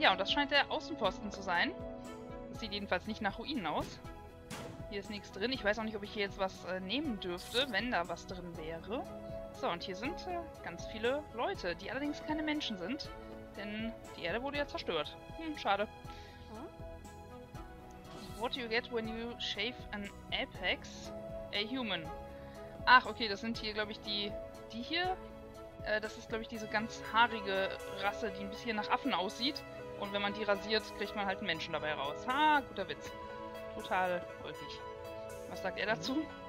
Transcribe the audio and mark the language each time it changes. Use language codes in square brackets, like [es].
[de] Ja, und das scheint der Außenposten zu sein. Sieht jedenfalls nicht nach Ruinen aus. Hier ist nichts drin. Ich weiß auch nicht, ob ich hier jetzt was nehmen dürfte, wenn da was drin wäre. So, und hier sind ganz viele Leute, die allerdings keine Menschen sind. Denn die Erde wurde ja zerstört. Schade. [en] What do you get when you shave an apex? A human. [de] Ach, okay, das sind hier, glaube ich, die hier. Das ist, glaube ich, diese ganz haarige Rasse, die ein bisschen nach Affen aussieht. Und wenn man die rasiert, kriegt man halt einen Menschen dabei raus. Ha, guter Witz. Total ulkig. Was sagt er dazu?